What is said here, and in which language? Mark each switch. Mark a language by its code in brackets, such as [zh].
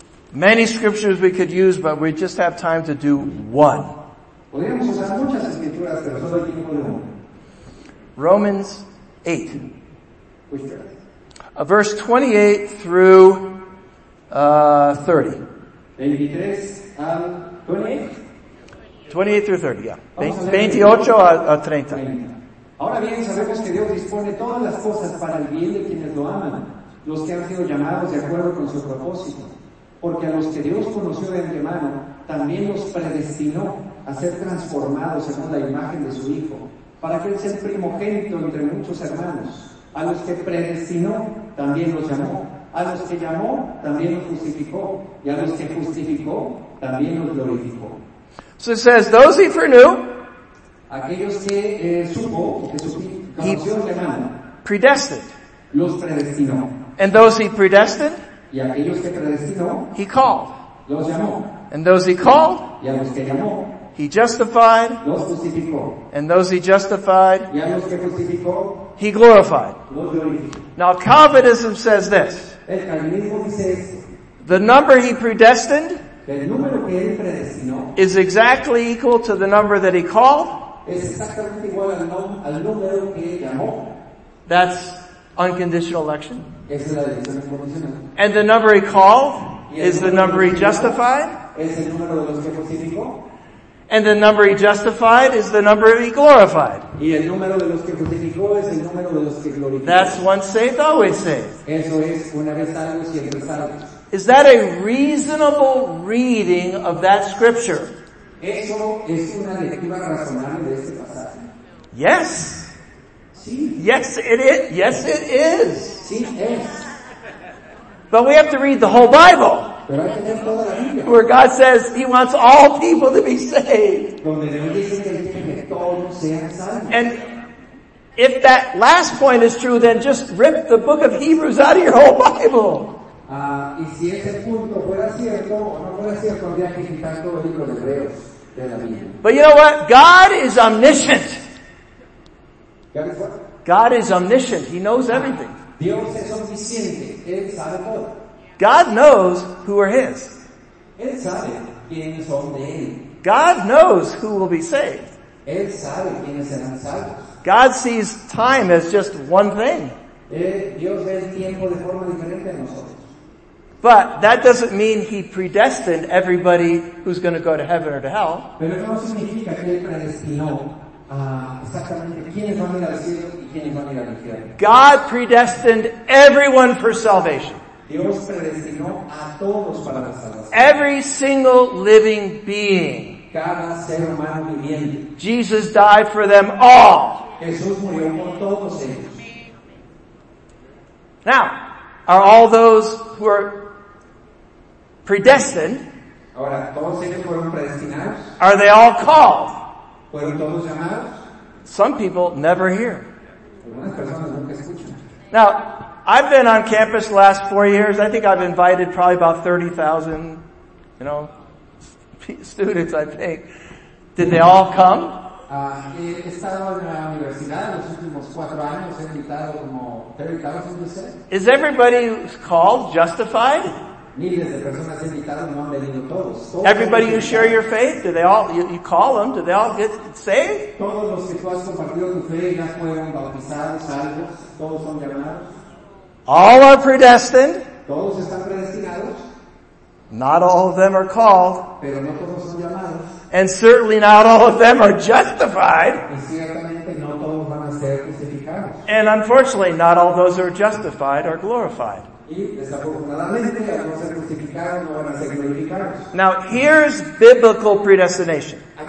[en] Many scriptures we could use, but we just have time to do one. [es] Podríamos usar muchas escrituras, pero Gálatas, pero solo el tiempo de uno. [en] Romans 8. Verse 28 through 30. 28 through 30. [es] Ahora bien, sabemos que Dios dispone todas las cosas para el bien de quienes lo aman, los que han sido llamados de acuerdo con su propósito. Porque a los que Dios conoció de antemano, también los predestinó a ser transformados según la imagen de su Hijo, para que Él sea el primogénito entre muchos hermanos. A los que predestinó, también los llamó. A los que llamó, también los justificó. Y a los que justificó, también los glorificó. [en] So it says, those he foreknew, [es] aquellos que supo, que conoció de antemano, [en] predestined, [es] los predestinó. [en] And those he predestined, [es] y aquellos que predestinó, [en] he called, [es] los llamó. [en] And those he called, [es] y a los que llamó, [en] he justified, [es] los justificó. [en] And those he justified, [es] y a los que justificó, [en] he glorified. [es] Los glorificó. [en] Now Calvinism says this. [es] El calvinismo dice esto. [en] The number he predestined, [es] el número que él predestinó, [en] is exactly equal to the number that he called. [es] Es exactamente igual al número que él llamó. [en] That's unconditional election. [es] Es la elección incondicional. [en] And the number he called is the number he justified. [es] Es el número de los que justificó. [en] And the number he justified is the number he glorified. [es] Y el número de los que justificó es el número de los que glorificó. [en] That's once saved, always saved. [es] Eso es una vez salvos, siempre salvos. [en] Is that a reasonable reading of that scripture? [es] Eso es una lectura razonable de este pasaje. [en] Yes. [es] Sí. [en] Yes, it is. Yes, it is. [es] Sí, es. [en] But we have to read the whole Bible. [es] Pero hay que leer toda la Biblia. [en] Where God says he wants all people to be saved. [es] Donde Dios dice que todos sean salvos. [en] And if that last point is true, then just rip the book of Hebrews out of your whole Bible. [es] Y si ese punto fuera cierto, no fuera cierto, habría que quitar todo el libro de Hebreos de la Biblia. [en] But you know what? God is omniscient. God is omniscient. He knows everything. [es] Dios es omnisciente. Él sabe todo. [en] God knows who are His. [es] Él sabe quiénes son de Él. [en] God knows who will be saved. [es] Él sabe quiénes serán salvos. [en] God sees time as just one thing. [es] Dios ve el tiempo de forma diferente a nosotros. [en] But that doesn't mean He predestined everybody who's going to go to heaven or to hell. [es] Pero eso no significa que Él predestinó. [en] God predestined everyone for salvation. [es] Dios predestinó a todos para la salvación. [en] Every single living being. [es] Cada ser humano viviente. [en] Jesus died for them all. [es] Jesús murió por todos ellos. [en] Now, are all those who are predestined, [es] ahora, todos ellos fueron predestinados? [en] Are they all called? [es] ¿Fueron todos llamados? [en] Some people never hear. [es] Nunca. [en] Now, I've been on campus the last 4 years. I think I've invited probably about 30,000, you know, students, I think. Did they all come? [es] He estado en la universidad los últimos 4 años. He invitado como 30,000, [en] you said? Is everybody called justified? [es] Miles de personas he invitado, no han venido todos. [en] Everybody who share your faith, do they all, you call them, do they all get saved? [es] Todos los que tú has compartido tu fe ya fueron bautizados, salvos, todos son llamados. [en] All are predestined. [es] Todos están predestinados. [en] Not all of them are called. [es] Pero no todos son llamados. [en] And certainly not all of them are justified. [es] Y ciertamente no todos van a ser justificados. [en] And unfortunately, not all those who are justified are glorified. Now, here's biblical predestination.